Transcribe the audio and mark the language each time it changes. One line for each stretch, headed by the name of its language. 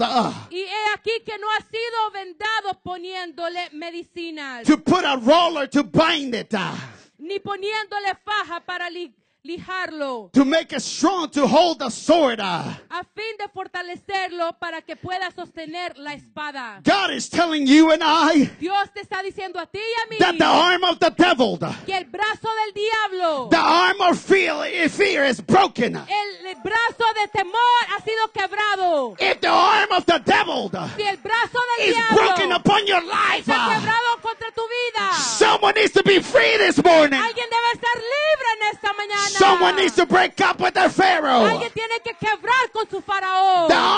Spanish: Y he aquí que no ha sido vendado poniéndole medicinas.
English: To put a roller to bind it.
Spanish: Ni poniéndole faja para lijarlo.
English: To make it strong to hold the sword.
Spanish: A fin de fortalecerlo para que pueda sostener la espada.
English: God is telling you and I.
Spanish: Dios te está diciendo a ti y a mí.
English: That the arm of the devil.
Spanish: Que el brazo del diablo.
English: The arm of fear is broken.
Spanish: El brazo de temor ha sido quebrado.
English: If the arm of the devil.
Spanish: Si el brazo del
English: is
Spanish: diablo.
English: Is broken upon your life.
Spanish: Está quebrado contra tu vida.
English: Someone needs to be free this morning.
Spanish: Alguien debe estar libre en esta mañana. mañana.
English: Someone needs to break up with their Pharaoh.
Spanish: Alguien tiene que quebrar con su faraón.